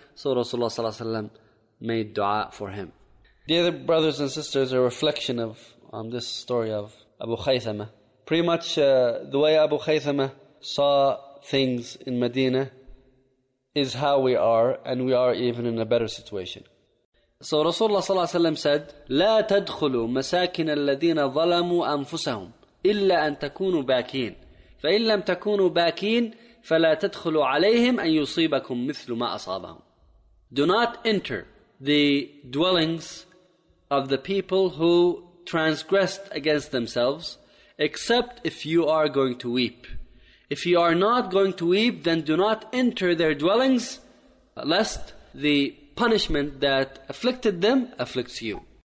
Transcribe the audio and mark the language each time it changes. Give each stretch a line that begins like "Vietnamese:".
English: So Rasulullah sallallahu alayhi wasallam made dua for him. Dear brothers and sisters, a reflection on this story of Abu Khaythama. Pretty much the way Abu Khaythama saw things in Medina is how we are, and we are even in a better situation.
Arabic: So Rasulullah صلى الله عليه وسلم said, لا تدخلوا مساكن الذين ظلموا أنفسهم إلا أن تكونوا باكين فإن لم تكونوا باكين فلا تدخلوا عليهم أن يصيبكم مثل ما أصابهم.
English: Do not enter the dwellings of the people who transgressed against themselves except if you are going to weep. If you are not going to weep, then do not enter their dwellings lest the punishment that afflicted them afflicts you.